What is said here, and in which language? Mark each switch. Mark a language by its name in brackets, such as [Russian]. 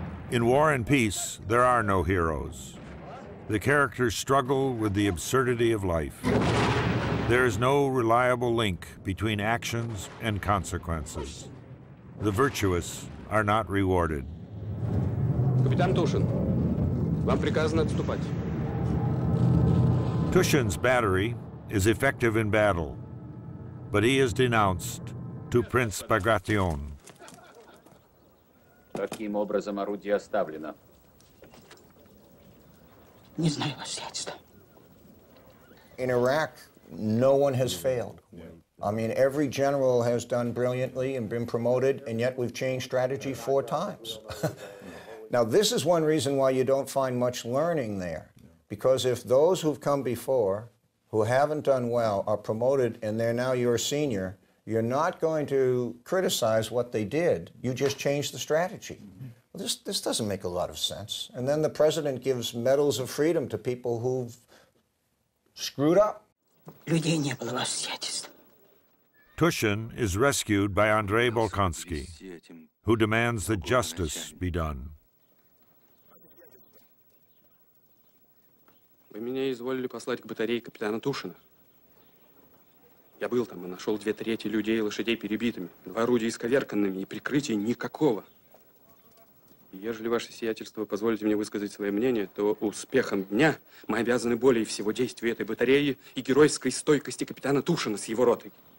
[English] In War and Peace, there are no heroes. The characters struggle with the absurdity of life. There is no reliable link between actions and consequences. The virtuous are not rewarded. [Russian] Капитан Тушин, вам приказано отступать. [English] Тушин's battery is effective in battle, but he is denounced to Prince Bagration. [Russian] Каким образом орудие оставлено? Не знаю, ваше святство. [English] In Iraq, no one has failed. I mean, every general has done brilliantly and been promoted, and yet we've changed strategy four times. Now, this is one reason why you don't find much learning there, because if those who've come before, who haven't done well, are promoted and they're now your senior, you're not going to criticize what they did. You just change the strategy. Mm-hmm. Well, this doesn't make a lot of sense. And then the president gives medals of freedom to people who've screwed up. [Russian] Людей не было, ваше сиятельство. [English] Тушин is rescued by Andrei Bolkonsky, who demands that justice be done. [Russian] Вы меня изволили послать к батарее капитана Тушина. Я был там и нашел две трети людей и лошадей перебитыми, два орудия исковерканными и прикрытия никакого. Ежели ваше сиятельство позволите мне высказать свое мнение, то успехом дня мы обязаны более всего действию этой батареи и геройской стойкости капитана Тушина с его ротой.